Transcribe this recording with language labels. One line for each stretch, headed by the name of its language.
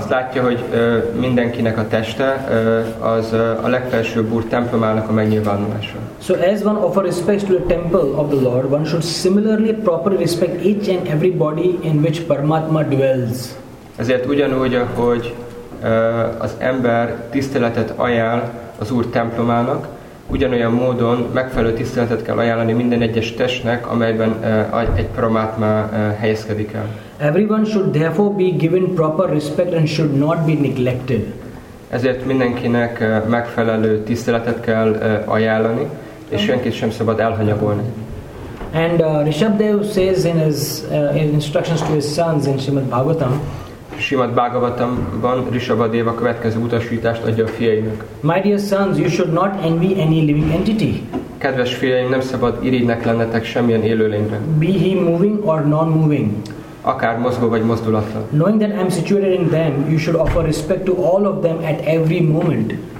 Hungarian: Azt látja, hogy mindenkinek a teste az a legfelsőbb úr templomának a megnyilvánulása.
English: So as one offer respects to the temple of the Lord, one should similarly properly respect each and every body in which Paramatma dwells.
Hungarian: Ezért ugyanúgy, ahogy az ember tiszteletet ajánl az úr templomának, ugyanolyan módon megfelelő tiszteletet kell ajánlani minden egyes testnek, amelyben egy paramátma helyezkedik el.
English: Everyone should therefore be given proper respect and should not be neglected.
Hungarian: Ezért mindenkinek megfelelő tiszteletet kell ajánlani, és senkit sem szabad elhanyagolni.
English: And Rishabdev says in his instructions to his sons in Srimad Bhagavatam,
Hungarian: Srimad Bhagavatamban Rishabhadeva következő utasítást adja a fiainak.
English: My dear sons, you should not envy any living entity.
Hungarian: Kedves fiaim, nem szabad irigynek lennetek semmilyen élőlényre.
English: Be he moving or non-moving.
Hungarian: Akár mozgó vagy mozdulatlan.
English: Knowing that I'm situated in them, you should offer respect to all of them at every moment.